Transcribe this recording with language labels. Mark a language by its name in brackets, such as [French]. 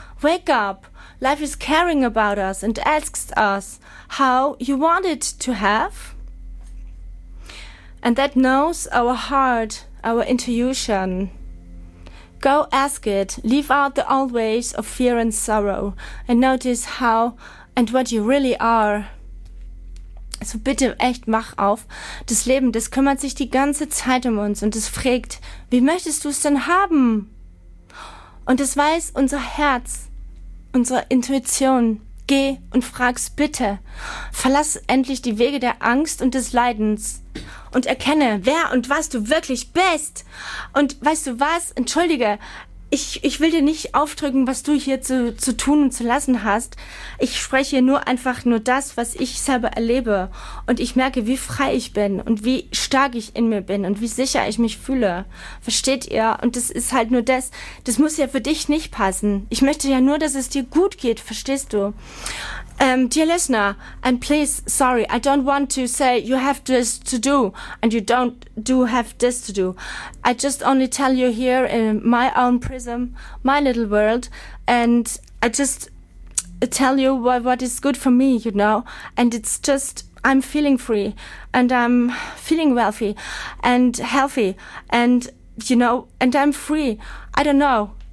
[English] Wake up, life is caring about us and asks us how you want it to have. And that knows our heart, our intuition. Go ask it, leave out the old ways of fear and sorrow and notice how and what you really are. [German] So bitte echt, mach auf. Das Leben, das kümmert sich die ganze Zeit um uns und es fragt, wie möchtest du es denn haben? Und das weiß unser Herz, unsere Intuition. Geh und frag's bitte. Verlass endlich die Wege der Angst und des Leidens und erkenne, wer und was du wirklich bist. Und weißt du was? Entschuldige, ich will dir nicht aufdrücken, was du hier zu tun und zu lassen hast. Ich spreche nur einfach nur das, was ich selber erlebe. Und ich merke, wie frei ich bin und wie stark ich in mir bin und wie sicher ich mich fühle. Versteht ihr? Und das ist halt nur das. Das muss ja für dich nicht passen. Ich möchte ja nur, dass es dir gut geht. Verstehst du? [English] Dear listener, and please, sorry, I don't want to say you have this to do and you don't do have this to do. I just only tell you here in my own prism, my little world, and I just tell you what is good for me, you know, and it's just I'm feeling free and I'm feeling wealthy and healthy and, you know, and I'm free. I don't know.